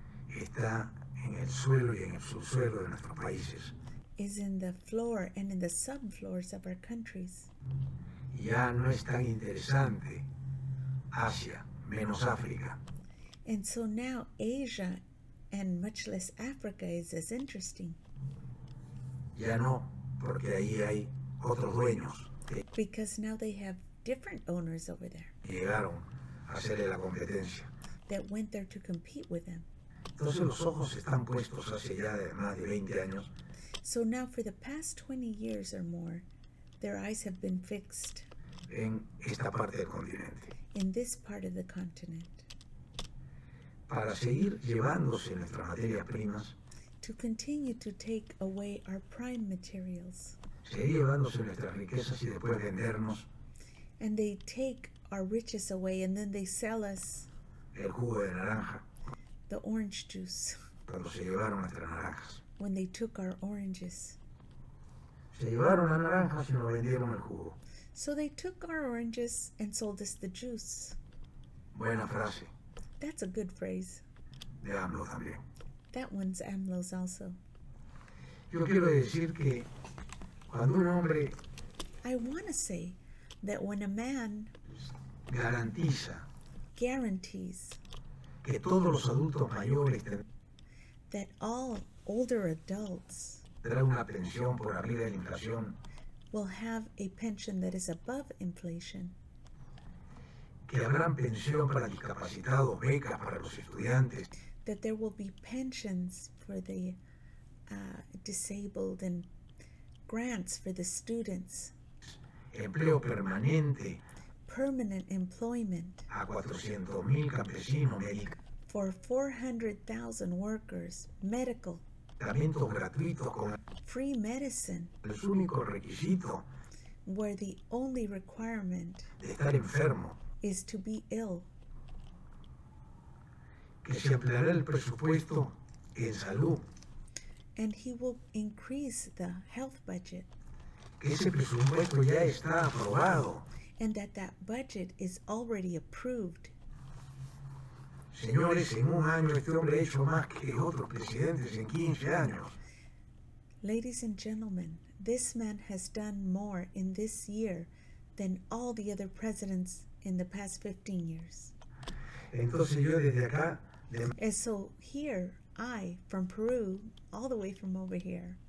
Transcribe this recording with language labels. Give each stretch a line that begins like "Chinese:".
Spanish: está en el suelo y en el subsuelo de nuestros países.
English: Is in the floor and in the subfloors of our countries.
Spanish: Ya no es tan interesante Asia menos África.
English: And so now Asia and much less Africa is as interesting.
Spanish: Ya no, porque ahí hay otros dueños.
English: Because now they have different owners over there.
Spanish: Llegaron a hacerle la competencia.
English: That went there to compete with them.
Spanish: Entonces los ojos están puestos hace ya de más de 20 años.
English: So now for the past 20 years or more, their eyes have been fixed
Spanish: en esta parte del continente.
English: In this part of the continent.
Spanish: Para seguir llevándose nuestras materias primas.
English: To continue to take away our prime materials.
Spanish: Seguir llevándose nuestras riquezas y después vendernos.
English: And they take our riches away and then they sell us
Spanish: el jugo de naranja.
English: The orange juice.
Spanish: Cuando se llevaron nuestras naranjas.
English: when they took our oranges.
Spanish: Se llevaron las naranjas y nos vendieron el jugo.
English: So they took our oranges and sold us the juice.
Spanish: Buena frase.
English: That's a good phrase.
Spanish: De AMLO también.
English: That one's AMLO's also.
Spanish: Yo quiero decir que cuando un hombre...
English: I want to say that when a man guarantees
Spanish: que todos los adultos mayores
English: that all older adults
Spanish: tendrán una pensión por arriba de la inflación,
English: will have a pension that is above inflation,
Spanish: que habrán pensión para discapacitados, becas para los estudiantes,
English: that there will be pensions for the disabled and grants for the students,
Spanish: empleo permanente,
English: permanent employment,
Spanish: a 400,000 campesinos médicos,
English: for 400,000 workers, medical,
Spanish: tratamientos gratuitos con
English: free medicine,
Spanish: el único requisito,
English: where the only requirement,
Spanish: de estar enfermo,
English: is to be ill,
Spanish: que se ampliará el presupuesto en salud,
English: and he will increase the health budget,
Spanish: que ese presupuesto ya está aprobado,
English: and that budget is already approved.
Spanish: Señores, en un año este hombre ha hecho más que otros presidentes en 15 años.
English: Ladies and gentlemen, this man has done more in this year than all the other presidents in the past 15 years.
Spanish: Entonces yo desde acá...
English: And so here, I, from Peru, all the way from over here,